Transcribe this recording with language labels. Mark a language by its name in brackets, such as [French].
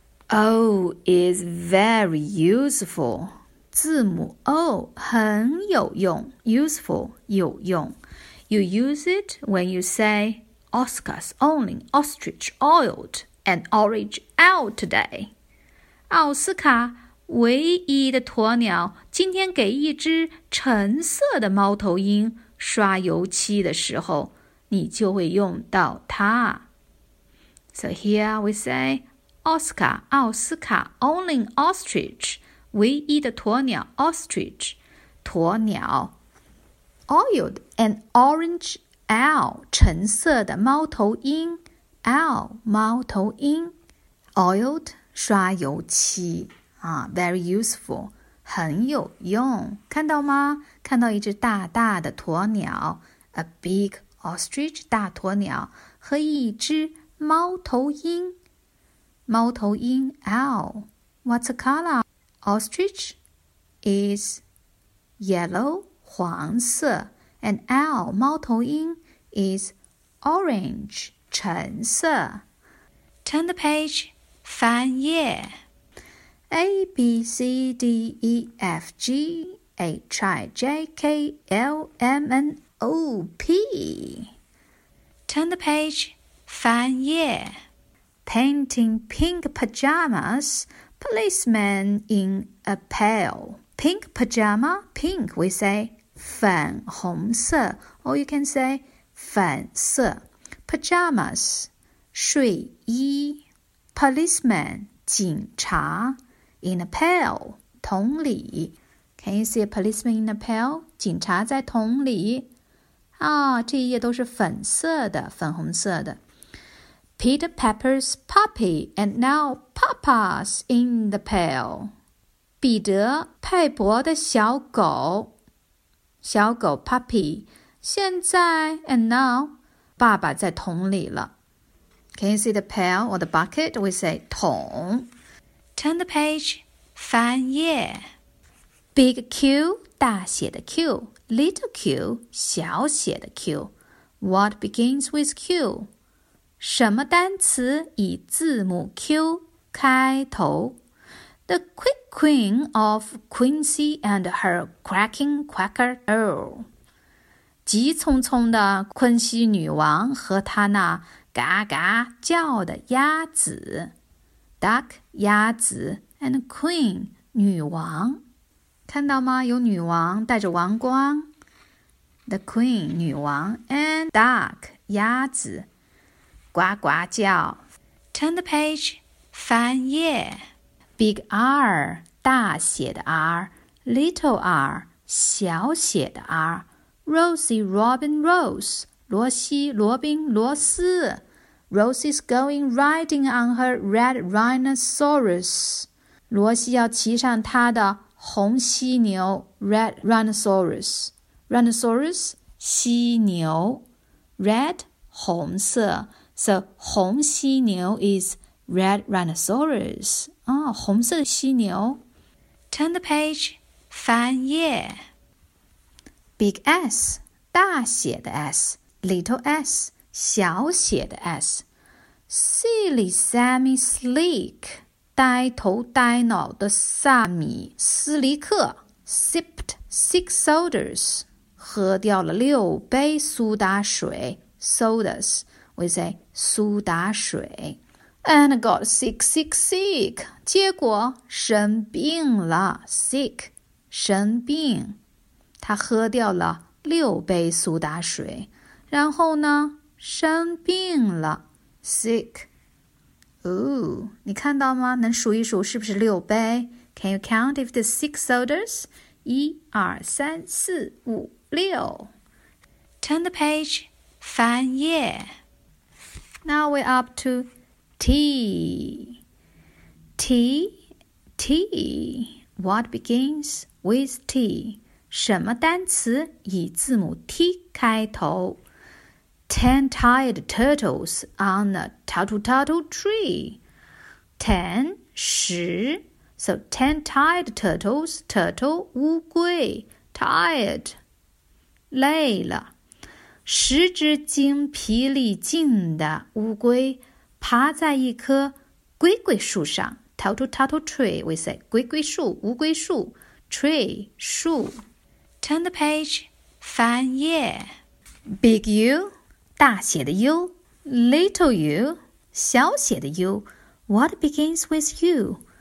[English] O is very useful [Chinese] 字母 O 很有用 [English] Useful [Chinese] 有用 [English] You use it when you say Oscar's only ostrich oiledAn orange out today. 奥斯卡 [Chinese] 唯一的鸵鸟今天给一只橙色的猫头鹰刷油漆的时候，你就会用到它。 [English] So here we say, Oscar, 奥斯卡 only ostrich, [Chinese] 唯一的鸵鸟 [English] ostrich, [Chinese] 鸵鸟。 [English] Oiled an orange owl, [Chinese] 橙色的猫头鹰 [English] owl, [Chinese] 猫头鹰。 [English] Oiled, [Chinese] 刷油漆。 [English] Very useful, [Chinese] 很有用。看到吗？看到一只大大的鸵鸟 , [English] a big ostrich, [Chinese] 大鸵鸟和一只猫头鹰。猫头鹰 [English] owl, what's the color? Ostrich is yellow, [Chinese] 黄色。 [English] And owl, [Chinese] 猫头鹰 [English] is orange, [Chinese] 橙色。 [English] Turn the page, [Chinese] 翻页。 [English] A, B, C, D, E, F, G, H, I, J, K, L, M, N, O, P. Turn the page, [Chinese] 翻页。 [English] Painting pink pajamas, policeman in a pail. Pink pajama, pink, we say [Chinese] 粉红色 [English] or you can say [Chinese] 粉色。 [English] Pajamas, [Chinese] 睡衣。 [English] Policeman, [Chinese] 警察。 [English] In a pail, [Chinese] 桶里。 [English] Can you see a policeman in a pail? [Chinese] 警察在桶里。这一页都是粉色的，粉红色的。 [English] Peter Pepper's puppy, and now Papa's in the pail. [Chinese] 彼得佩伯的小狗，小狗 [English] puppy, [Chinese] 现在 [English] and now, [Chinese] 爸爸在桶里了。 [English] Can you see the pail or the bucket? We say [Chinese] 桶。 [English] Turn the page, [Chinese] 翻页。 [English] Big Q, [Chinese] 大写的 [English] Q, little Q, [Chinese] 小写的 [English] Q. What begins with Q? [Chinese] 什么单词以字母 Q 开头? [English] The quick queen of Quincy and her cracking quacker earl. [Chinese] 急匆匆的昆西女王和她那嘎嘎叫的鸭子。 [English] Duck, [Chinese] 鸭子 [English] and queen, [Chinese] 女王。看到吗？有女王带着王冠。 [English] The queen, [Chinese] 女王 [English] and duck, [Chinese] 鸭子。呱呱叫。 [English] Turn the page, [Chinese] 翻页。 [English] Big R, [Chinese] 大写的 [English] R, little R, [Chinese] 小写的 [English] R, Rosie, Robin, Rose, 罗西罗宾罗斯。 Rosie's going riding on her red rhinoceros. [Chinese] 罗西要骑上她的红犀牛 [English] red rhinoceros. Rhinoceros, [Chinese] 犀牛 [English] red, [Chinese] 红色 [English] So, [Chinese] 红犀牛 [English] is red rhinoceros. [Chinese] 红色犀牛 [English] Turn the page, [Chinese] 翻页 [English] Big S, [Chinese] 大写的 [English] S, little s, [Chinese] 小写的 [English] S. Silly Sammy Sleek, [Chinese] 呆头呆脑的萨米斯利克 [English] sipped six sodas, [Chinese] 喝掉了六杯苏打水 [English] sodas, we say [Chinese] 苏打水 [English] and got sick, sick, sick, [Chinese] 结果生病了 [English] sick, [Chinese] 生病他喝掉了六杯苏打水然后呢生病了 [English] Sick. [Chinese] Ooh, 你看到吗？能数一数是不是六杯 [English] Can you count if there's six soldiers? [Chinese] 一、二、三、四、五、六。 [English] Turn the page, [Chinese] 翻页。 [English] Now we're up to T. T, T. What begins with T? [Chinese] 什么单词以字母 T 开头？ [English] 10 tired turtles on a turtle tree. 10, [Chinese] 十 [English] So 10 tired turtles, turtle, [Chinese] 乌龟 [English] tired, [Chinese] 累了。十只精疲力尽的乌龟爬在一棵龟龟树上 [English] turtle tree, we say [Chinese] 龟龟树乌龟树 [English] tree, [Chinese] 树 [English] Turn the page, [Chinese] 翻页 [English] Big U? [Chinese] 大写的 [English] U, little u, [Chinese] 小写的 [English] u, what begins with u,